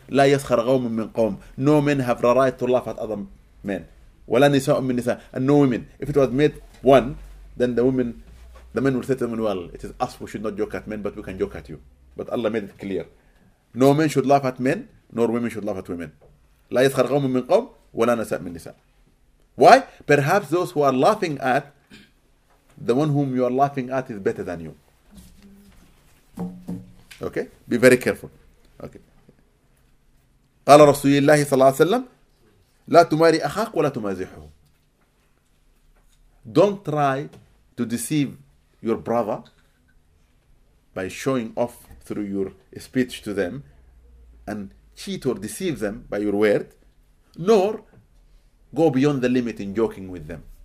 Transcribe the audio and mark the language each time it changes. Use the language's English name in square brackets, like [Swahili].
[Arabic] لا يسخر قوم من قوم. [English] No men have the right to laugh at other men. [Arabic] ولا نساء من نساء. [English] And no women. If it was made one, then the men will say to them, well, it is us, we should not joke at men, but we can joke at you. But Allah made it clear. No men should laugh at men, nor women should laugh at women. [Arabic] لا يسخر قوم من قوم ولا نساء من نساء. [English] Why? Perhaps those who are laughing at the one whom you are laughing at is better than you. Okay? Be very careful. Okay. [Arabic] قال رسول الله صلى الله عليه وسلم لا تماري أخاك ولا تمازحه. [English] Don't try to deceive your brother by showing off through your speech to them and cheat or deceive them by your word, nor go beyond the limit in joking with them.